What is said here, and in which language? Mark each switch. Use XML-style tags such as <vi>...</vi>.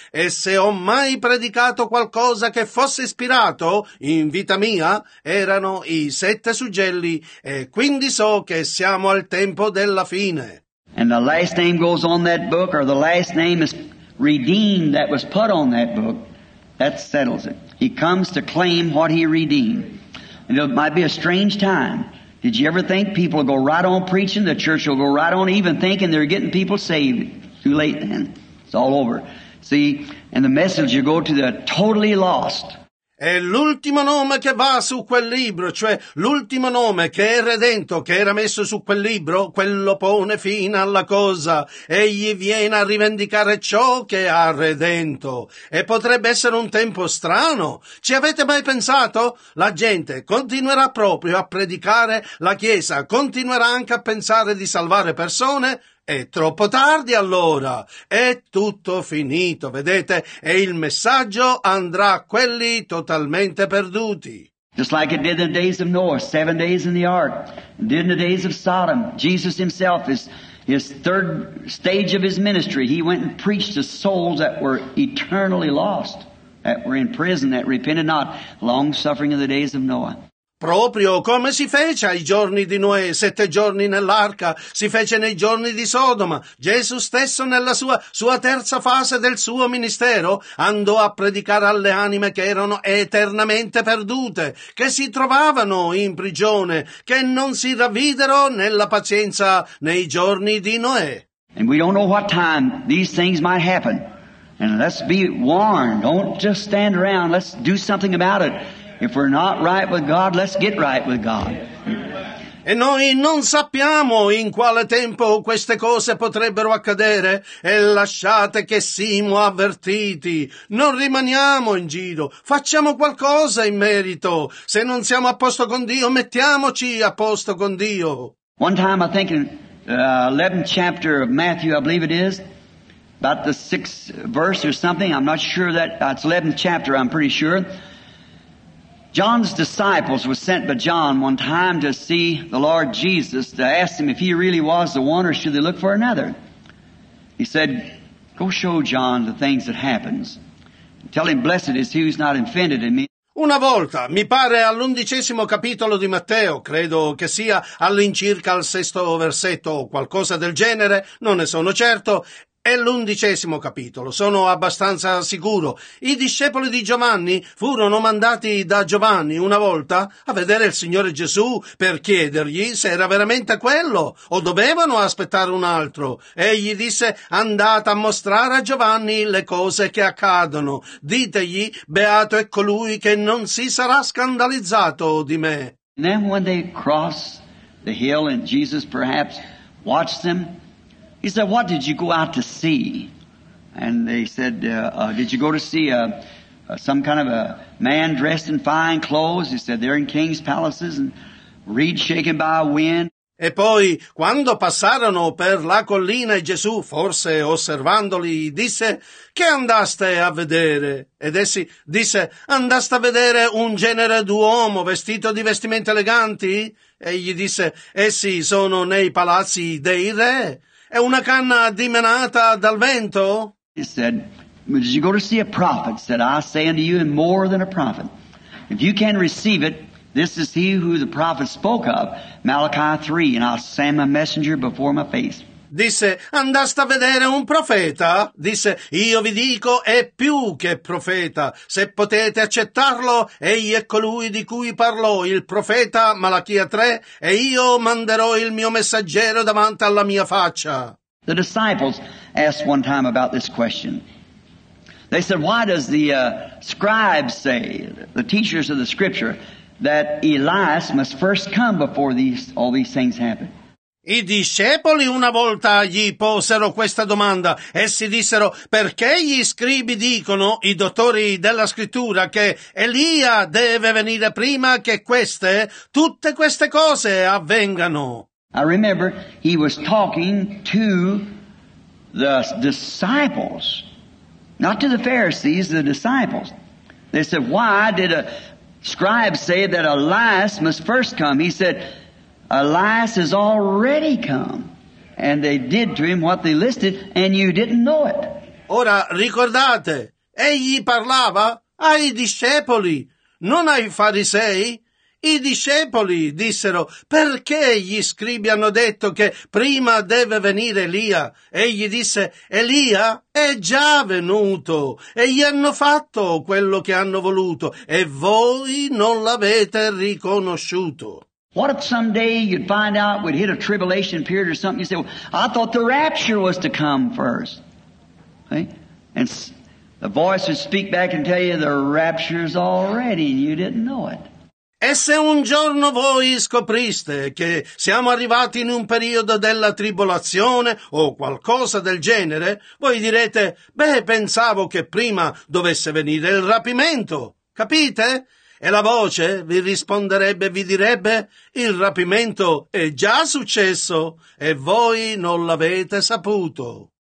<it>E se ho mai predicato qualcosa che fosse ispirato in vita mia, erano i sette suggelli, e quindi so che siamo al tempo della fine.</it> <en>And the last name goes on that book, or the last name is redeemed that was put on that book. That settles it. He comes to claim what he redeemed. And it might be a strange time. Did you ever think people will go right on preaching, the church will go right on even thinking they're getting people saved? Too late then. It's all over. See, and the message you go to the totally lost.</en> <it>E l'ultimo nome che va su quel libro, cioè l'ultimo nome che è redento, che era messo su quel libro, quello pone fine alla cosa. Egli viene a rivendicare ciò che ha redento. E potrebbe essere un tempo strano. Ci avete mai pensato? La gente continuerà proprio a predicare, la Chiesa continuerà anche a pensare di salvare persone. È troppo tardi allora, è tutto finito, vedete, e il messaggio andrà a quelli totalmente perduti.</it> <en>Just like it did in the days of Noah, 7 days in the ark, did in the days of Sodom. Jesus himself is His third stage of his ministry, he went and preached to souls that were eternally lost, that were in prison, that repented not, long suffering of the days of Noah.</en> <it>Proprio come si fece ai giorni di Noè, 7 giorni nell'arca, si fece nei giorni di Sodoma. Gesù stesso nella sua terza fase del suo ministero andò a predicare alle anime che erano eternamente perdute, che si trovavano in prigione, che non si ravvidero nella pazienza nei giorni di Noè.</it> <en>And we don't know what time these things might happen. And let's be warned, don't just stand around, let's do something about it. If we're not right with God, let's get right with God.</en> <it>E noi non sappiamo in quale tempo queste cose potrebbero accadere. E lasciate che siamo avvertiti. Non rimaniamo in giro. Facciamo qualcosa in merito. Se non siamo a posto con Dio, mettiamoci a posto con Dio.</it> <en>One time I think in the 11th chapter of Matthew, I believe it is, about the 6th verse or something. I'm not sure that it's 11th chapter, I'm pretty sure. John's disciples were sent by John one time to see the Lord Jesus, to ask him if he really was the one or should they look for another. He said, go show John the things that happens. Tell him blessed is he who's not offended in me.</en> <it>Una volta, mi pare all'11° capitolo di Matteo, credo che sia all'incirca al 6° versetto o qualcosa del genere, non ne sono certo. È l'11° capitolo, sono abbastanza sicuro. I discepoli di Giovanni furono mandati da Giovanni una volta a vedere il Signore Gesù per chiedergli se era veramente quello o dovevano aspettare un altro. Egli disse, andate a mostrare a Giovanni le cose che accadono. Ditegli, beato è colui che non si sarà scandalizzato di me.</it> <en>And then when they cross the hill and Jesus perhaps watched them, he said, what did you go out to see? And they said, did you go to see some kind of a man dressed in fine clothes? He said, they're in king's palaces and reeds shaken by a wind.</en> <it>E poi, quando passarono per la collina, Gesù, forse osservandoli, disse, che andaste a vedere? Ed essi disse, andaste a vedere un genere d'uomo vestito di vestimenti eleganti? E gli disse, essi sono nei palazzi dei re. È una canna dimenata dal vento?</it> <en>He said, did you go to see a prophet? Said, I say unto you, and more than a prophet. If you can receive it, this is he who the prophet spoke of, Malachi 3, and I'll send my messenger before my face.</en> <it>Disse, andaste a vedere un profeta? Disse, io vi dico, è più che profeta. Se potete accettarlo, egli è colui di cui parlò il profeta Malachia 3, e io manderò il mio messaggero davanti alla mia faccia.</it> <en>The disciples asked one time about this question. They said, why does the scribes say, the teachers of the scripture, that Elias must first come before all these things happen?</en> <it>I discepoli una volta gli posero questa domanda, essi dissero, perché gli scribi dicono, i dottori della scrittura, che Elia deve venire prima che queste, tutte queste cose avvengano?</it> <en>I remember he was talking to the disciples, not to the Pharisees, the disciples. They said, why did a scribe say that Elias must first come? He said, Elias has already come, and they did to him what they listed, and you didn't know it.</en> <it>Ora ricordate, egli parlava ai discepoli, non ai farisei. I discepoli dissero, perché gli scribi hanno detto che prima deve venire Elia? Egli disse, Elia è già venuto, e gli hanno fatto quello che hanno voluto, e voi non l'avete riconosciuto.</it> <en>What if someday you'd find out we'd hit a tribulation period or something? You say, well, I thought the rapture was to come first. Okay? And the voice would speak back and tell you the rapture's already and you didn't know it.</en> <it>E se un giorno voi scopriste che siamo arrivati in un periodo della tribolazione o qualcosa del genere, voi direte, beh, pensavo che prima dovesse venire il rapimento. Capite? E la voce vi risponderebbe, vi direbbe, il rapimento è già successo e voi non l'avete saputo.</it>